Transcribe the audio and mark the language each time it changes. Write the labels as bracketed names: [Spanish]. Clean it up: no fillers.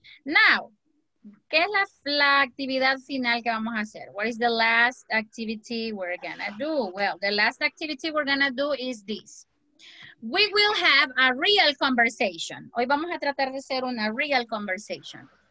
[Spanish] Now, ¿qué es la actividad final que vamos a hacer? [English] What is the last activity we're going to do? Well, the last activity we're going to do is this. We will have a real conversation. [Spanish] Hoy vamos a tratar de hacer una [English] real conversation.